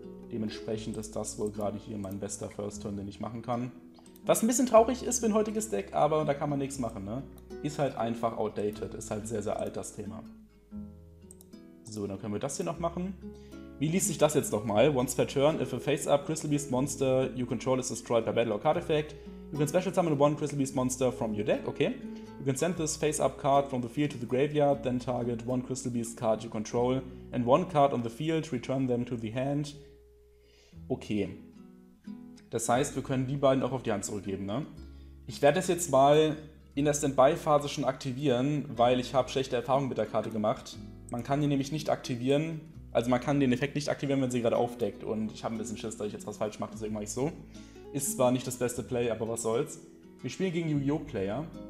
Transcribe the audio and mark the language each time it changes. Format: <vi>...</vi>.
<de>Dementsprechend ist das wohl gerade hier mein bester First-Turn, den ich machen kann. Was ein bisschen traurig ist für ein heutiges Deck, aber da kann man nichts machen, ne? Ist halt einfach outdated, ist halt sehr, sehr alt, das Thema. So, dann können wir das hier noch machen. Wie liest sich das jetzt nochmal?</de> <en>Once per turn, if a face-up Crystal Beast Monster you control is destroyed by Battle or Card Effect, you can special summon one Crystal Beast Monster from your deck, okay. You can send this face-up card from the field to the graveyard, then target one Crystal Beast card you control and one card on the field, return them to the hand. Okay.</en> <de>Das heißt, wir können die beiden auch auf die Hand zurückgeben, ne? Ich werde das jetzt mal in der Standby-Phase schon aktivieren, weil ich habe schlechte Erfahrungen mit der Karte gemacht. Man kann die nämlich nicht aktivieren. Also man kann den Effekt nicht aktivieren, wenn sie gerade aufdeckt. Und ich habe ein bisschen Schiss, dass ich jetzt was falsch mache, deswegen mache ich es so. Ist zwar nicht das beste Play, aber was soll's. Wir spielen gegen Yu-Gi-Oh! Player.</de>